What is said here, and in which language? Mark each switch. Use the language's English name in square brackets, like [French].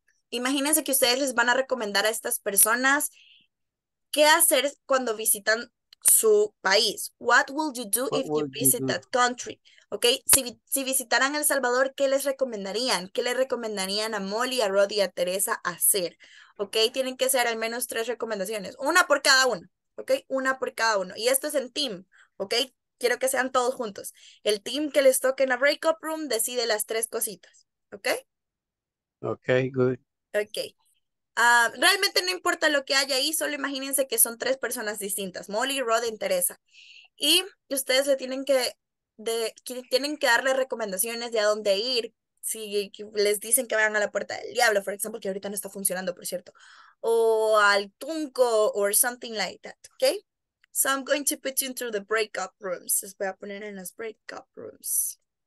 [Spanish] Imagínense que ustedes les van a recomendar a estas personas qué hacer cuando visitan su país. [English] What would you do if you visit that country? [Spanish] Okay, si visitaran El Salvador, ¿qué les recomendarían? ¿Qué les recomendarían a Molly, a Rod y a Teresa hacer? Okay, tienen que ser al menos tres recomendaciones. Una por cada uno. Okay, una por cada uno. Y esto es en team. Okay, quiero que sean todos juntos. El team que les toque en la breakup room decide las tres cositas. Okay. Okay, good. Okay. Realmente no importa lo que haya ahí, solo imagínense que son tres personas distintas, Molly, Rod y Teresa. Y ustedes se tienen que tienen que darle recomendaciones de a dónde ir. Si les dicen que vayan a la puerta del diablo, por ejemplo, que ahorita no está funcionando, por cierto, o al Tunco [English] or something like that, [Spanish] okay? [English] So I'm going to put you into the breakup rooms. [Spanish] Les voy a poner en las breakup rooms.